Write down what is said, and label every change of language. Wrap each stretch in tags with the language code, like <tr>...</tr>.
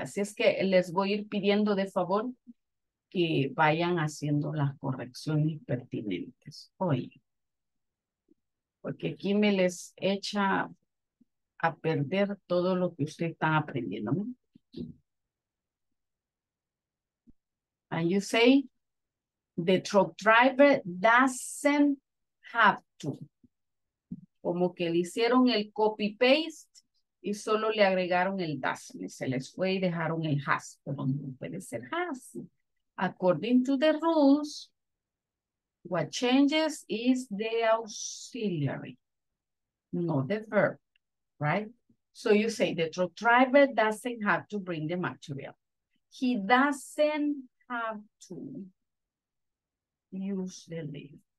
<es>Así es que les voy a ir pidiendo de favor que vayan haciendo las correcciones pertinentes hoy. Porque aquí me les echa a perder todo lo que ustedes están aprendiendo.</es> <en>And you say, the truck driver doesn't have to.</en> <es>Como que le hicieron el copy-paste y solo le agregaron el doesn't. Se les fue y dejaron el has. Pero no puede ser has.</es> <en>According to the rules, what changes is the auxiliary, not the verb, right? So you say the truck driver doesn't have to bring the material. He doesn't have to use the lift.</en>